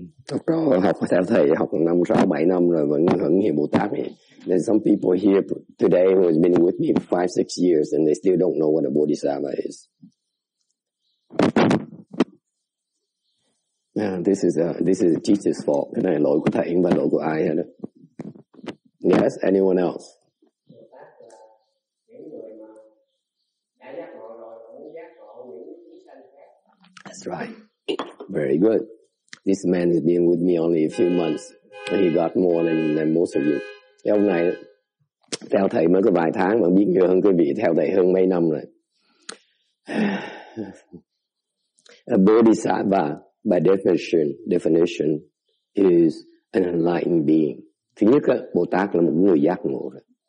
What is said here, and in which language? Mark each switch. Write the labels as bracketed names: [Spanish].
[Vietnamese] Học trò học theo thầy học 5, 6, 7 năm rồi vẫn hiểu Bồ Tát này. [English] There's some people here today who have been with me 5, 6 years and they still don't know what a bodhisattva is. This is teacher's fault. [Vietnamese] Cái này lỗi của thầy và lỗi của ai hết. [English] Yes, anyone else? That's right. Very good. This man has been with me only a few months, and he got more than most of you. [Vietnamese] Cái ông này theo thầy mới có vài tháng mà biết nhiều hơn quý vị theo thầy hơn mấy năm rồi. [English] A bodhisattva, by definition, is an enlightened being. [Vietnamese] Thứ nhất, Bồ Tát là một người giác ngộ rồi.